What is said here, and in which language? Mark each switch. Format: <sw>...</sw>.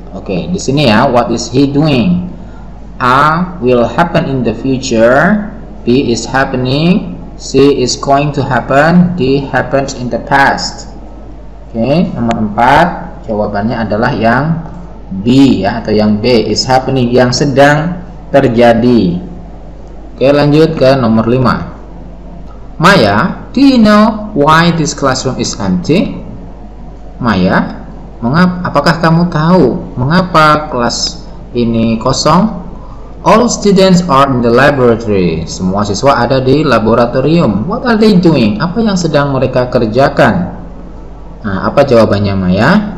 <en>Oke, okay.</en> <id>Di sini ya,</id> <en>what is he doing? A will happen in the future, B is happening, C is going to happen, D happens in the past.</en> <id>Okay, nomor 4 jawabannya adalah yang B ya, atau yang B,</id> <en>is happening,</en> <id>yang sedang terjadi. Oke, lanjut ke nomor 5.</id> <en>Maya, do you know why this classroom is empty?</en> <id>Maya, apakah kamu tahu mengapa kelas ini kosong?</id> <en>All students are in the laboratory.</en> <id>Semua siswa ada di laboratorium.</id> <en>What are they doing?</en> <id>Apa yang sedang mereka kerjakan? Nah, apa jawabannya Maya?</id>